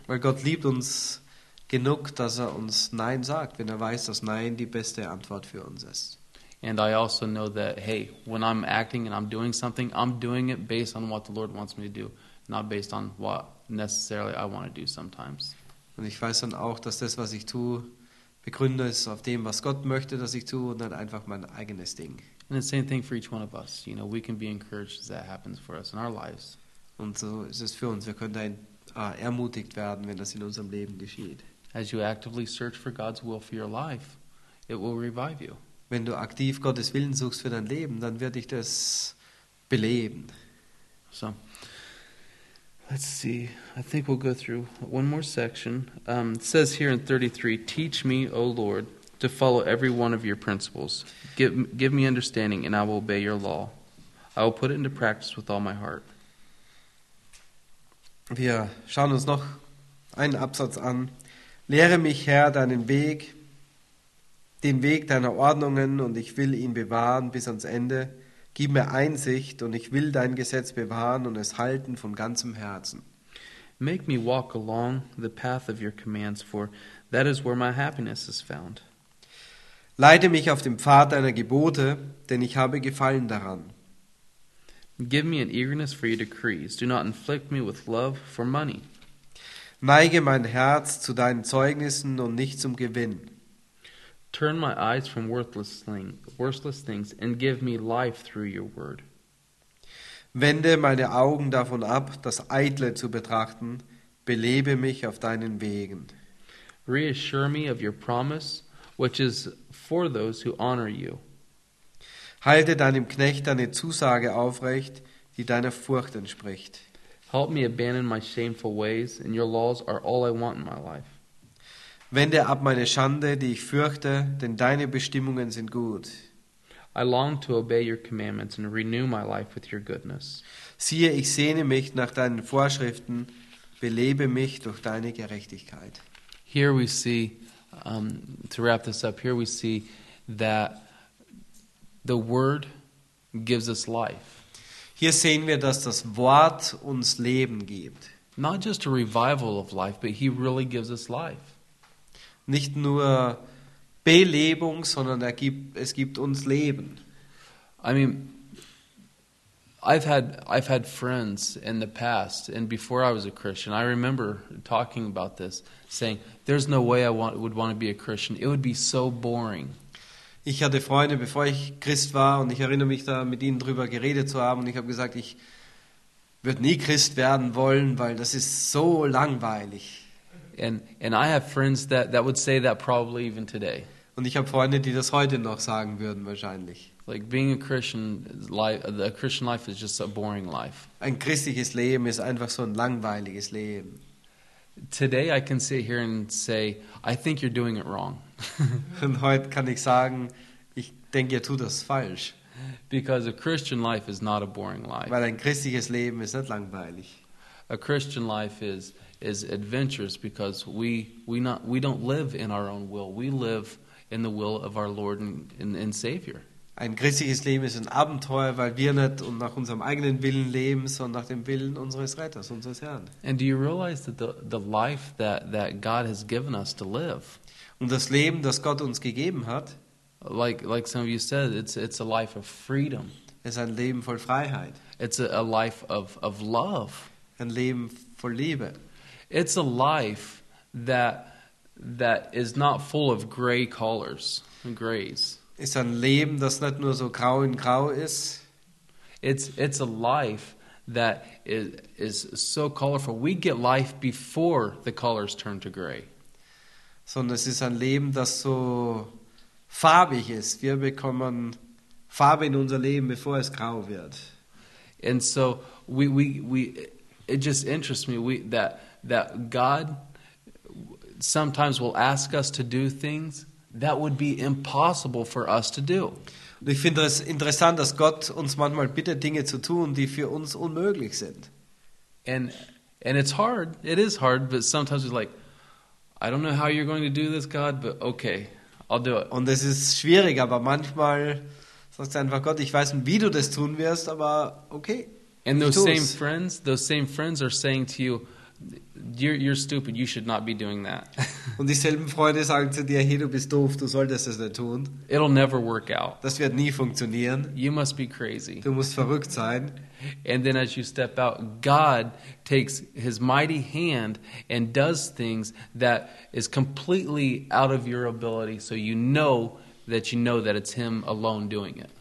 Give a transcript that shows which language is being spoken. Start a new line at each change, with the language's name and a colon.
German: Weil Gott liebt uns genug, dass er uns nein sagt, wenn er weiß, dass nein die beste Antwort für uns ist.
English: And I also know that, hey, when I'm acting and I'm doing something, I'm doing it based on what the Lord wants me to do, not based on what necessarily I want to do sometimes.
German: Und ich weiß dann auch, dass das, was ich tue, begründet ist auf dem, was Gott möchte, dass ich tue, und dann einfach mein eigenes Ding.
English: And the same thing for each one of us. You know, we can be encouraged as that happens for us in our lives.
German: Und so ist es für uns. Wir können dann ermutigt werden, wenn das in unserem Leben geschieht.
English: As you actively search for God's will for your life, it will revive you.
German: Wenn du aktiv Gottes Willen suchst für dein Leben, dann wird dich das beleben.
English: So, let's see. I think we'll go through one more section. It says here in 33, teach me, O Lord, to follow every one of your principles. Give me understanding, and I will obey your law. I will put it into practice with all my heart.
German: Wir schauen uns noch einen Absatz an. Lehre mich, Herr, deinen Weg, den Weg deiner Ordnungen, und ich will ihn bewahren bis ans Ende. Gib mir Einsicht, und ich will dein Gesetz bewahren und es halten von ganzem Herzen.
English: Make me walk along the path of your commands, for that is where my happiness is found.
German: Leite mich auf dem Pfad deiner Gebote, denn ich habe Gefallen daran.
English: Give me an eagerness for your decrees. Do not inflict me with love for money.
German: Neige mein Herz zu deinen Zeugnissen und nicht zum Gewinn.
English: Turn my eyes from worthless things and give me life through your word.
German: Wende meine Augen davon ab, das Eitle zu betrachten. Belebe mich auf deinen Wegen.
English: Reassure me of your promise, which is for those who honor you.
German: Halte deinem Knecht deine Zusage aufrecht, die deiner Furcht entspricht.
English: Help me abandon my shameful ways, and your laws are all I want in my life.
German: Wende ab meine Schande, die ich fürchte, denn deine Bestimmungen sind gut.
English: I long to obey your commandments and renew my life with your goodness.
German: Siehe, ich sehne mich nach deinen Vorschriften, belebe mich durch deine Gerechtigkeit.
English: Here we see, to wrap this up, here we see that the word gives us life.
German: Hier sehen wir, dass das Wort uns Leben gibt.
English: Not just a revival of life, but he really gives us life.
German: Nicht nur Belebung, sondern es gibt uns Leben.
English: I mean, I've had friends in the past, and before I was a Christian, I remember talking about this, saying, "There's no way I would want to be a Christian. It would be so boring."
German: Ich hatte Freunde, bevor ich Christ war, und ich erinnere mich da, mit ihnen drüber geredet zu haben, und ich habe gesagt, ich würde nie Christ werden wollen, weil das ist so langweilig.
English: And I have friends that would say that probably even today.
German: Und ich habe Freunde, die das heute noch sagen würden wahrscheinlich.
English: Like being a Christian life is just a boring life.
German: Ein christliches Leben ist einfach so ein langweiliges Leben.
English: Today I can sit here and say I think you're doing it wrong.
German: Und heute kann ich sagen, ich denke, ihr tut das falsch.
English: Because a Christian life is not a boring life.
German: Weil ein christliches Leben ist nicht langweilig.
English: A Christian life is adventurous because we don't live in our own will. We live in the will of our Lord and Savior.
German: Ein christliches Leben ist ein Abenteuer, weil wir nicht und nach unserem eigenen Willen leben, sondern nach dem Willen unseres Retters, unseres Herrn.
English: And do you realize that the life that God has given us to live?
German: Und das Leben, das Gott uns gegeben hat,
English: like some of you said, it's a life of freedom.
German: Ist ein Leben voll Freiheit.
English: It's a life of love.
German: Ein Leben voll Liebe.
English: It's a life that is not full of gray collars and grays.
German: Ist ein Leben, das nicht nur so grau in grau ist.
English: It's a life that is so colorful. We get life before the colors turn to gray.
German: sondern es ist ein Leben, das so farbig ist. Wir bekommen Farbe in unser Leben, bevor es grau wird.
English: And so we it just interests me that God sometimes will ask us to do things that would be impossible for us to do.
German: Und ich finde es interessant, dass Gott uns manchmal bittet, Dinge zu tun, die für uns unmöglich sind.
English: And it's hard. It is hard, but sometimes it's like, I don't know how you're going to do this, God, but okay, I'll do it.
German: Und es ist schwierig, aber manchmal sagst du einfach, Gott, ich weiß nicht, wie du das tun wirst, aber okay.
English: And those same friends are saying to you, you're stupid, you should not be doing that.
German: Und dieselben Freunde sagen zu dir, hey, du bist doof, du solltest das nicht tun.
English: It'll never work out.
German: Das wird nie funktionieren.
English: You must be crazy.
German: Du musst verrückt sein.
English: And then as you step out, God takes his mighty hand and does things that is completely out of your ability, so you know that you know that it's him alone doing it.